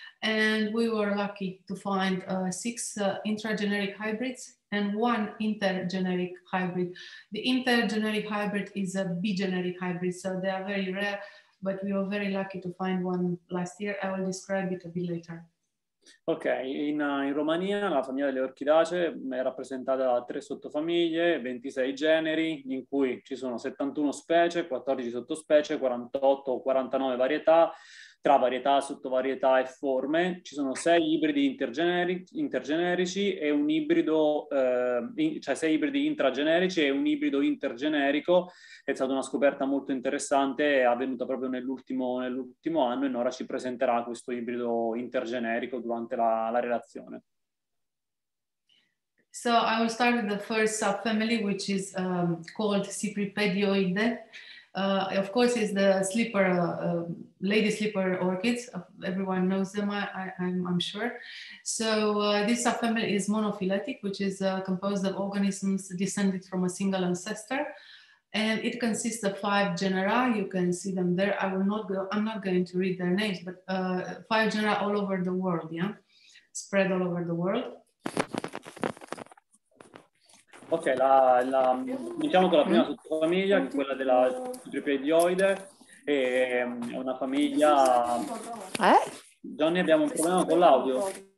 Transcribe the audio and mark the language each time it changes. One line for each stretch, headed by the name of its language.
English: And we were lucky to find six intrageneric hybrids and one intergeneric hybrid. The intergeneric hybrid is a bigeneric hybrid, so they are very rare. But we were very lucky to find one last year. I will describe it a bit later.
Italian: Ok, in Romania la famiglia delle Orchidacee è rappresentata da 3 sottofamiglie, 26 generi, in cui ci sono 71 specie, 14 sottospecie, 48 o 49 varietà, tra varietà, sottovarietà e forme. Ci sono 6 ibridi intergenerici e un ibrido, cioè 6 ibridi intragenerici e un ibrido intergenerico. È stata una scoperta molto interessante, è avvenuta proprio nell'ultimo anno, e Nora ci presenterà questo ibrido intergenerico durante la relazione.
English: So I will start with the first subfamily, which is called Cypripedioidae. Of course, it's the slipper, lady slipper orchids. Everyone knows them, I'm sure. So this subfamily is monophyletic, which is composed of organisms descended from a single ancestor. And it consists of 5 genera. You can see them there. I'm not going to read their names, but 5 genera all over the world, yeah? Spread all over the world.
Italian: Ok, iniziamo con la prima sottofamiglia, che è quella della Cypripedioidae, è una famiglia... Johnny, abbiamo un problema con l'audio.